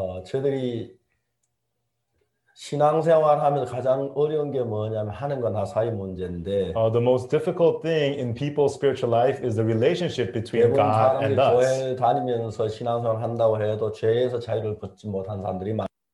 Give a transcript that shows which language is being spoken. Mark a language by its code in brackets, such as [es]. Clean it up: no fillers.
[ko] 저희들이 신앙생활 하면서 가장 어려운 게 뭐냐면 하는 거나 사이 문제인데. [en] The most difficult thing in people's spiritual life is the relationship between God and us. [ko] 교회 다니면서 신앙생활 한다고 해도 죄에서 자유를 얻지 못한 사람들이 많아요.